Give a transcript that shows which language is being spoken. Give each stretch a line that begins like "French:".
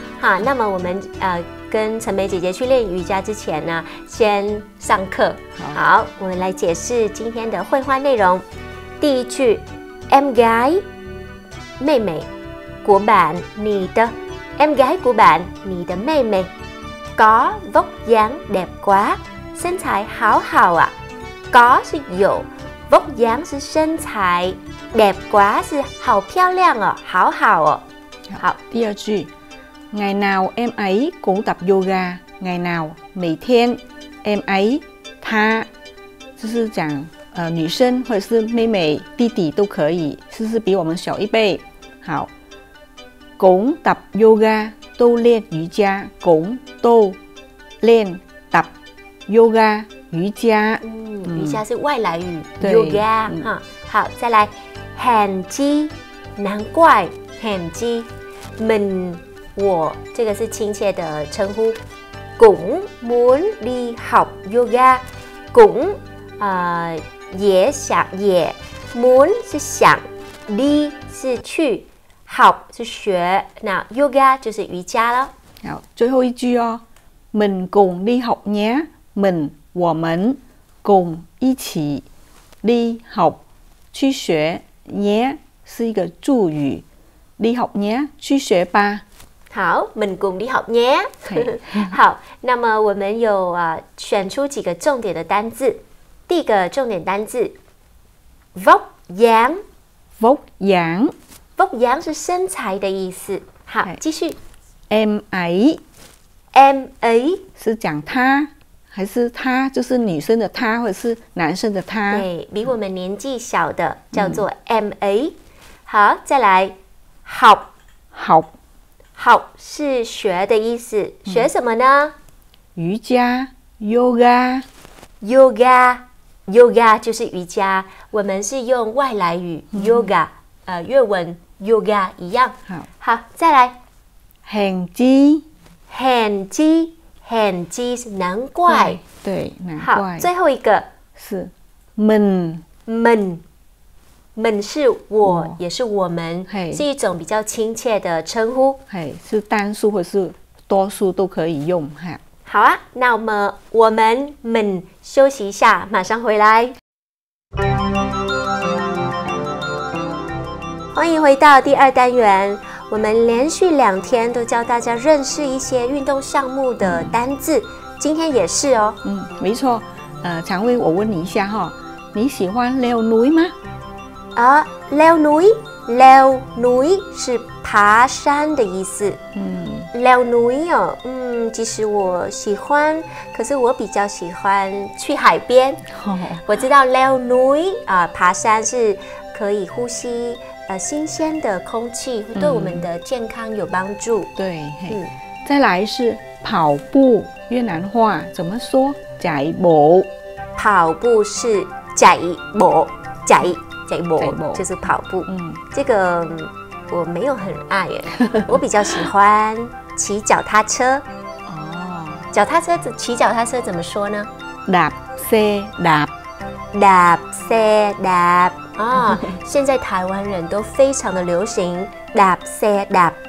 Chinese: 好，那么我们跟陈梅姐姐去练瑜伽之前呢，先上课。好，我们来解释今天的绘画内容。第一句 ，
Vietnamese: Em gái，
Chinese: 妹妹。
Vietnamese: của bạn, 你的 em gái của bạn,
Chinese: 你的妹妹
Vietnamese: có vóc dáng đẹp quá,
Chinese: 身材好好啊。 có 是有，
Vietnamese: vóc dáng
Chinese: 是身材，
Vietnamese: đẹp quá
Chinese: 是好漂亮哦，好好哦。好，第二句，
Vietnamese: ngày nào em ấy cũng tập yoga,
Chinese: ngày nào, 每天 em ấy, 她，就是讲女生或者是妹妹、弟弟都可以，是不是比我们小一辈？好。
Vietnamese: cũng tập yoga,
Chinese: 都练瑜伽 cũng 都练 tập yoga, 瑜伽。瑜伽是外来语
Vietnamese: yoga。
Chinese: 好，再来
Vietnamese: hèn chi,
Chinese: 难怪 hèn chi, mình 我，这个是亲切的称呼。
Vietnamese: cũng muốn đi học yoga, cũng
Chinese: 也想也
Vietnamese: muốn 是想 đi 是去。
Chinese: 好，是学，那 yoga 就是瑜伽了。好，最后一句哦，
Vietnamese: mình cùng đi học nhé，
Chinese: mình 我们 cùng 一起 đi học 去学 nhé 是一个助语， đi học nhé 去学吧。
Vietnamese: 好， mình cùng đi học nhé。
Chinese: 好，那么我们有选出几个重点的单字。第一个重点单字 vóc dáng，
Vietnamese: vóc dáng， vóc dáng
Chinese: 是身材的意思。好，继续。
Vietnamese: em ấy， em ấy
Chinese: 是讲她，还是她就是女生的她，或者是男生的她？对，比我们年纪小的叫做
Vietnamese: em ấy。
Chinese: 好，再来。học，
Vietnamese: học，
Chinese: học 是学的意思。学什么呢？瑜伽 ，yoga， yoga， yoga 就是瑜伽。我们是用外来语 yoga。粤文 yoga 一样。好，好，再来。
Vietnamese: hèn chi， hèn chi， hèn chi 是难怪。
Chinese: 对，难怪。好，最后一个是 mình，
Vietnamese: mình，
Chinese: mình 是我，也是我们，是一种比较亲切的称呼。是单数或是多数都可以用。好啊，那我们
Vietnamese: mình
Chinese: 休息一下，马上回来。欢迎回到第二单元，我们连续两天都教大家认识一些运动项目的单字，今天也是哦。没错。蔷薇，我问你一下哈，你喜欢
Vietnamese: leo núi
Chinese: 吗？啊，
Vietnamese: leo núi，
Chinese: leo núi 是爬山的意思。
Vietnamese: leo núi
Chinese: 哦，嗯，其实我喜欢，可是我比较喜欢去海边。我知道
Vietnamese: leo núi
Chinese: 啊，爬山是可以呼吸新鲜的空气，对我们的健康有帮助。嗯、对，嗯，再来是跑步，越南话怎么说？
Vietnamese: chạy bộ，
Chinese: 跑步是
Vietnamese: chạy bộ，
Chinese: chạy bộ 就是跑步。嗯，这个我没有很爱耶，我比较喜欢骑脚踏车。哦，脚踏车骑脚踏车怎么说呢？
Vietnamese: đạp xe đạp， đạp xe đạp。
Chinese: 哦，现在台湾人都非常的流行
Vietnamese: đạp xe đạp。